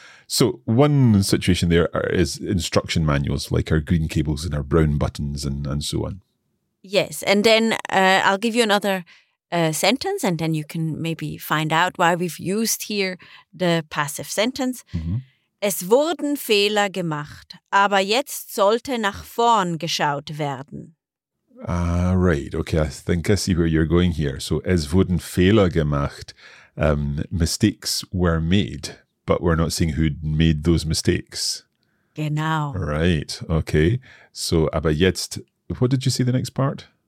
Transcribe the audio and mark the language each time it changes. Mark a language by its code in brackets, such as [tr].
[en] So one situation there is instruction manuals, like our green cables and our brown buttons and so on. Yes, and then I'll give you another sentence and then you can maybe find out why we've used here the passive sentence. Mm-hmm. [de] Es wurden Fehler gemacht, aber jetzt sollte nach vorn geschaut werden. [en] Right. Okay. I think I see where you're going here. So [de] es wurden Fehler gemacht. [en] Mistakes were made, but we're not seeing who made those mistakes. [de] Genau. [en] Right. Okay. So [de] aber jetzt, [en] what did you see the next part?